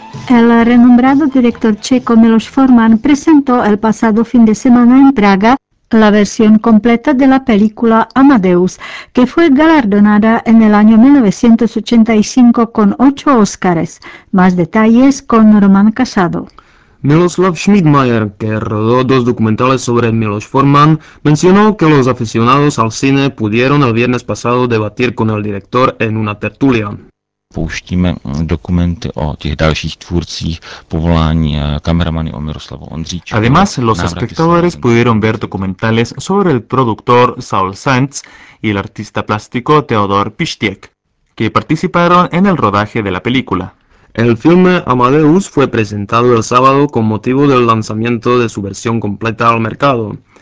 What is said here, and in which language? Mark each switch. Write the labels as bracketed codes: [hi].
[es] El renombrado director checo Miloš Forman presentó el pasado fin de semana en Praga la versión completa de la película Amadeus, que fue galardonada en el año 1985 con 8 Óscares. Más detalles con Román Casado. Miloslav Schmidmayer, que rodó 2 documentales sobre Miloš Forman, mencionó que los aficionados al cine pudieron el viernes pasado debatir con el director en una tertulia. [cs] pouštíme dokumenty o těch dalších tvůrcích, povolání kameramany o Miroslavu Ondříčku. [es] Además, los espectadores pudieron ver documentales sobre el productor Saul Sands y el artista plástico Teodor Pištěk, que participaron en el rodaje de la película. El filme Amadeus fue presentado el sábado con motivo del lanzamiento de su versión completa al mercado.